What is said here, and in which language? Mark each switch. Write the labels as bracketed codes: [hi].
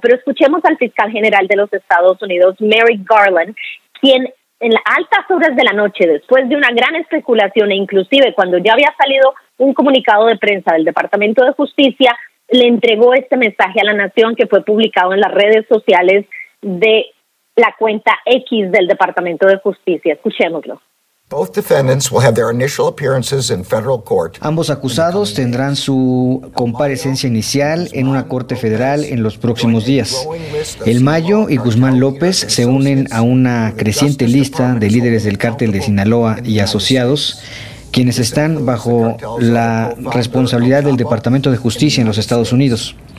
[es] Pero escuchemos al fiscal general de los Estados Unidos, Merrick Garland, quien en las altas horas de la noche, después de una gran especulación e inclusive cuando ya había salido un comunicado de prensa del Departamento de Justicia, le entregó este mensaje a la nación que fue publicado en las redes sociales de la cuenta X del Departamento de Justicia. Escuchémoslo. [en] Both defendants will have their initial appearances in federal court. [es] Ambos acusados tendrán su comparecencia inicial en una corte federal en los próximos días. El Mayo y Guzmán López se unen a una creciente lista de líderes del cártel de Sinaloa y asociados, quienes están bajo la responsabilidad del Departamento de Justicia en los Estados Unidos.